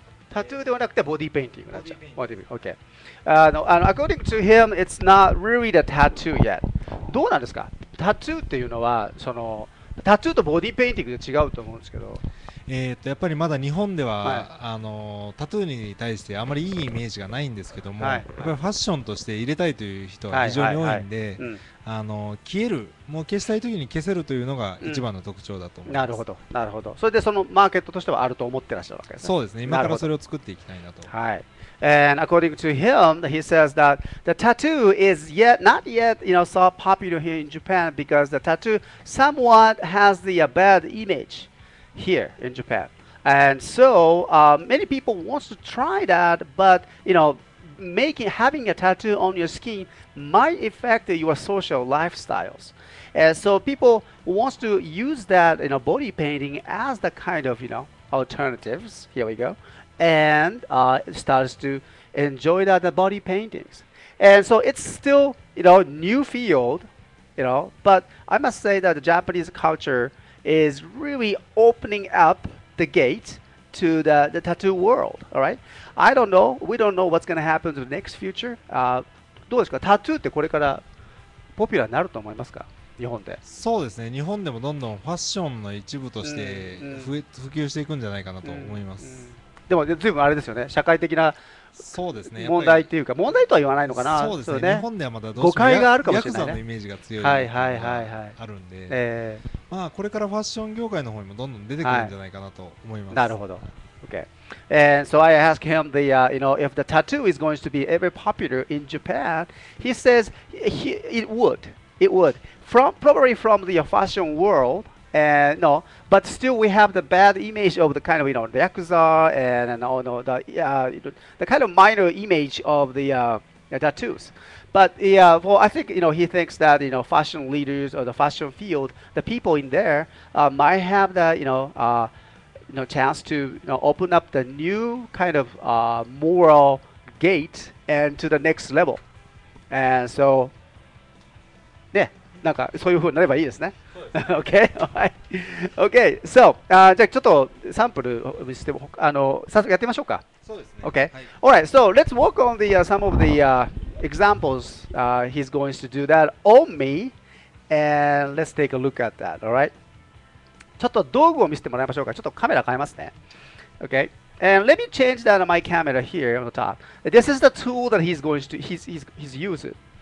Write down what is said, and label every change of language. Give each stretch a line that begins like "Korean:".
Japanese: タトゥーではなくてボディーペインティングになっちゃう。ボディーペインティング。
English: Okay. No, and according to him, it's not really the tattoo yet.
Japanese: どうなんですか？タトゥーっていうのは、その、タトゥーとボディーペインティングで違うと思うんですけど。やっぱりまだ日本では、はい、あのタトゥーに対してあまりいいイメージがないんですけども、はい、やっぱりファッションとして入れたいという人は非常に多いんで、あの消える、もう消したいときに消せるというのが一番の特徴だと思います、うん、なるほど、なるほど。それでそのマーケットとしてはあると思ってらっしゃるわけですね。そうですね、今からそれを作っていきたいなと。はい。
English: And according to him, he says that the tattoo is yet not yet, you know, so popular here in Japan because the tattoo somewhat has the bad image here in Japan. And so many people want to try that, but, you know, making, having a tattoo on your skin might affect your social lifestyles. And so people want to use that, you know, body painting as the kind of, you know, alternatives. Here we go. And starts to enjoy that the body paintings. And so it's still, you know, new field, you know, but I must say that the Japanese culture is really opening up the gate to the tattoo world, all right? I don't know. We don't know what's going to happen to the next future.
Japanese: どうですか? タトゥーってこれからポピュラーになると思いますか? 日本で。そうですね。日本でもどんどんファッションの一部として普及していくんじゃないかなと思います。でも随分あれですよね、社会的な問題っていうか、そうですね、問題とは言わないのかな。そうですね、日本ではまだどうしても誤解があるかもしれないね。ヤクザのイメージが強いのがあるんで、まあこれからファッション業界の方にもどんどん出てくるんじゃないかなと思います、はい、なるほど。Okay.
English: And so I asked him the, you know, if the tattoo is going to be ever popular in Japan. He says he, it would from, probably from the fashion worldAnd no, but still we have the bad image of the kind of, you know, the Yakuza and all, no, the kind of minor image of the tattoos. But yeah, well, I think, you know, he thinks that, you know, fashion leaders or the fashion field, the people in there might have the, you know, chance to, you know, open up the new kind of moral gate and to the next level. And so, yeah,
Japanese: なんかそういうふうになればいいですね。
English: Okay. Okay.
Japanese: So, じゃあちょっとサンプルをしてもあの早速やってみましょうか。そうですね。
English: Okay. はい、All right. So, let's work on the, some of the examples he's going to do that on me. And let's take a look at that. All right.
Japanese: ちょっと道具を見せてもらいましょうか。ちょっとカメラ変えますね。
English: Okay. And let me change that on my camera here on the top. This is the tool that he's going to he's using.